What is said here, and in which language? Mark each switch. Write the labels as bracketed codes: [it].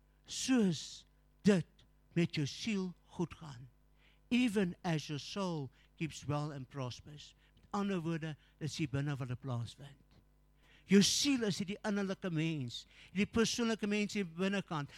[af] Soos dit met jou siel goed gaan. [en] Even as your soul keeps well and prospers. [af] Met ander woorde, dit is die binnen wat die plaas vind. Jou siel is die innerlijke mens, die persoonlijke mens in binnenkant.